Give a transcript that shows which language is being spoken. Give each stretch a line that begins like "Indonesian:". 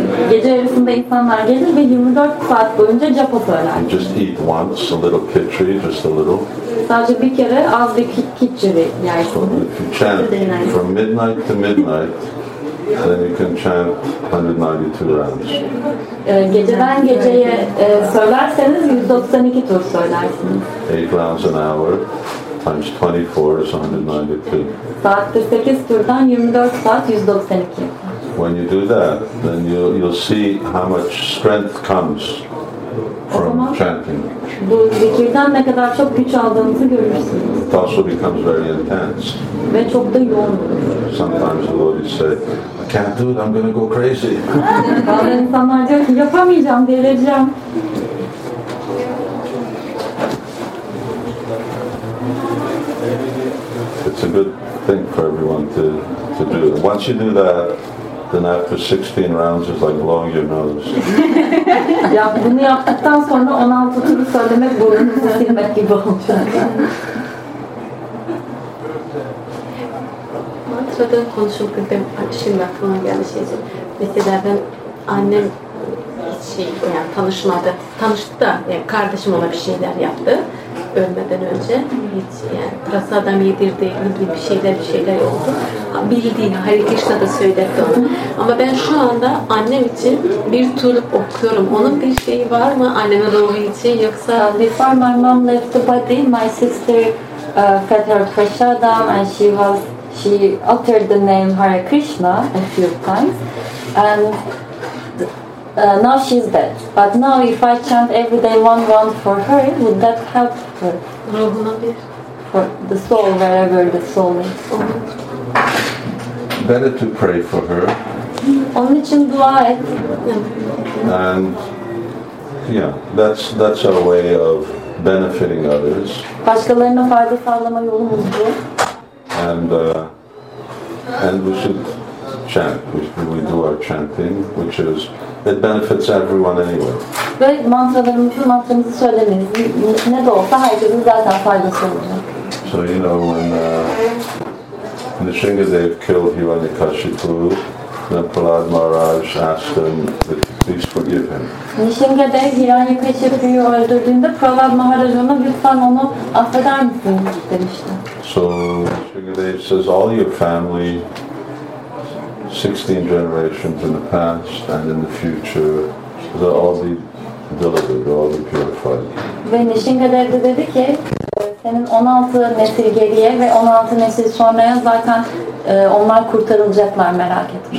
Turkish: Gece yarısında insanlar gelir ve 24 saat boyunca japa söyler.
English: You just eat once, a little khichdi, just a little.
Turkish: Sadece bir kere az bir khichdi yersiniz.
English: If you chant from midnight to midnight, then you can chant 192 rounds.
Turkish: Geceden geceye söylerseniz 192 tur söylersiniz.
English: 8 rounds an hour times 24 is 192.
Turkish: Saatte 8 turdan 24 saat 192.
English: When you do that, then you'll see how much strength comes from chanting.
Turkish: Bu zikirden ne kadar çok güç aldığınızı görürsünüz.
English: It also becomes very intense.
Turkish: Ve çok da yoğun olur.
English: Sometimes the Lord is say, I can't do it, I'm going to go crazy.
Turkish: Bazı insanlar diyor ki, yapamayacağım, delireceğim.
English: It's a good thing for everyone to do. Once you do that, then after 16 rounds, it's like blowing your nose.
Turkish: Ya bunu yaptıktan sonra 16 turu söylemek burnunuzu silmek gibi olacak. sırada konuşulduk. Ben şimdi aklıma geldi şeydi. Mesela ben annem şey, yani tanışmadı. Tanıştı da yani kardeşim ona bir şeyler yaptı. Ölmeden önce hiç yani prasa adam yedirdi gibi bir şeyler oldu. Bildiğin Hare Krishna da söyledi onu. Ama ben şu anda annem için bir tur okuyorum. Onun bir şeyi var mı annemin ruhu için yoksa?
English: Before my mom left the body, my sister fed her prasadam and she uttered the name Hare Krishna a few times. And now she's dead. But now if I chant every day one round for her, would that help her? For the soul, wherever the soul is. Better to pray for her.
Turkish: Onun için dua et.
English: And yeah, that's our way of benefiting others.
Turkish: Başkalarına fayda sağlama yolumuz bu.
English: And we should chant. We do our chanting, which is it benefits everyone anyway.
Turkish: Ve mantramızı söylemeniz ne de olsa herkesin zaten faydası olacak.
English: So you know when the Sringadev killed Hiranyakashipu, then Prahlad Maharaj asked him if please forgive him.
Turkish: Nishingadev Hiranyakashipu'yu öldürdüğünde Prahlad Maharaj ona lütfen onu affeder misin demişti.
English: So Nishingadev says all your family 16 generations in the past and in the future, they'll all be delivered, they'll all be purified.
Turkish: Ve Nishingadev de dedi ki, senin 16 nesil geriye ve 16 nesil sonraya zaten onlar kurtarılacaklar, merak etme.